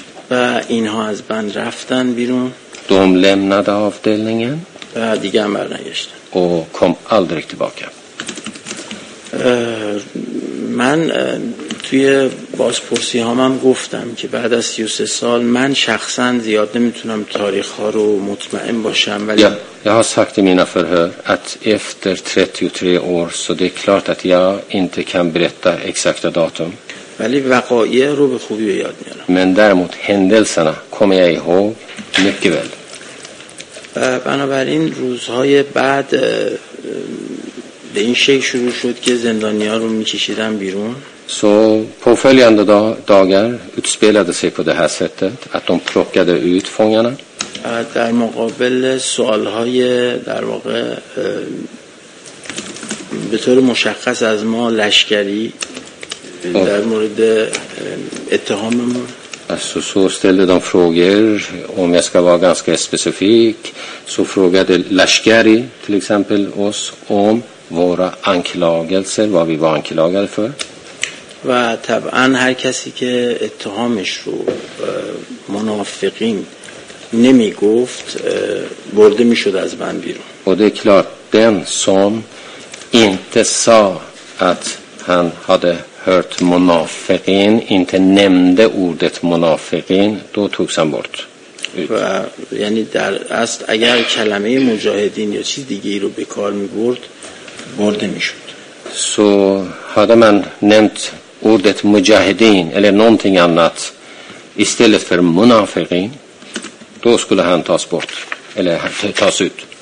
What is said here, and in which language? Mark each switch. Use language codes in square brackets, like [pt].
[fa] و اینها از بند رفتن بیرون. [sv] De lämnade avdelningen. [fa] و دیگه هم برنگشتن. [sv] Och kom aldrig tillbaka. [fa] من توی بازپرسی هام هم گفتم که بعد از 33 سال من شخصا زیاد نمیتونم تاریخ ها رو مطمئن باشم ولی [sv] jag har sagt i mina förhör att efter 33 år så det är klart att jag inte kan berätta exakta datum. [fa] ولی وقایع رو به خوبی یاد میارم. [sv] من درمت هندلسنا کومی ای هو میکی ول. [fa] بنابراین روزهای بعد به این شکل شروع شد که زندانی ها رو میکشیدن بیرون. [sv] Så påföljande dagar utspelade sig på det här sättet att de plockade ut fångarna. [fa] در مقابل سوالهای در واقع به طور مشخص از ما لشکری در مورد اتهاممون. [sv] Så ställde de frågor, om jag ska vara ganska specifik, så frågade Lashkari till exempel oss om våra anklagelser, vad vi var anklagade för. [fa] و طبعا هر کسی که اتهامش رو منافقین نمی گفت برده می شد از من بیرون. [sv] و det är klart, den som inte sa att han hade hört munafiqin, inte nämnde ordet munafiqin, då togs han bort. [fa] و یعنی در اصل اگر کلمه مجاهدین یا چیز دیگه ای رو به کار می برد برده می شد. [sv] Så hade man nämnt ordet mujahedin eller någonting annat istället för munafiqin, då skulle han tas bort eller tas ut.